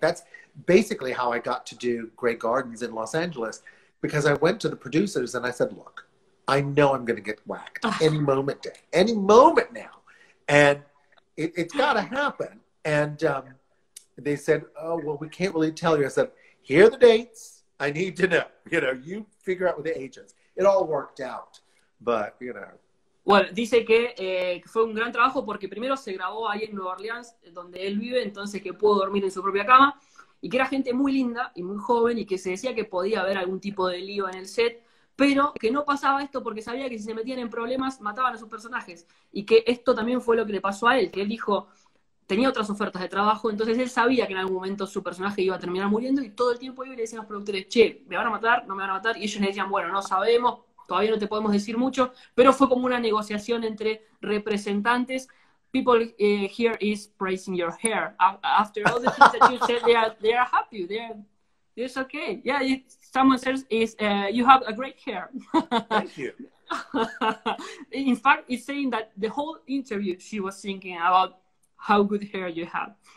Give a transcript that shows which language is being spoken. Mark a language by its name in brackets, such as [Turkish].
[English] That's basically how I got to do Grey Gardens in Los Angeles, because I went to the producers and I said, look, I know I'm going to get whacked any moment now. And it's got to happen. And they said, oh, well, we can't really tell you. I said, here are the dates. I need to know. You know, you figure out with the agents. It all worked out, but, you know. [Spanish] Bueno, dice que fue un gran trabajo porque primero se grabó ahí en Nueva Orleans, donde él vive, entonces que pudo dormir en su propia cama, y que era gente muy linda y muy joven, y que se decía que podía haber algún tipo de lío en el set, pero que no pasaba esto porque sabía que si se metían en problemas, mataban a sus personajes. Y que esto también fue lo que le pasó a él, que él dijo, tenía otras ofertas de trabajo, entonces él sabía que en algún momento su personaje iba a terminar muriendo, y todo el tiempo iba y le decían a los productores, che, ¿me van a matar? ¿No me van a matar? Y ellos le decían, bueno, no sabemos, todavía no te podemos decir mucho, pero fue como una negociación entre representantes. [English] People here is praising your hair. After all the things that you said, they are happy. It's okay. Yeah, someone says you have a great hair. Thank you. In fact, it's saying that the whole interview she was thinking about how good hair you have.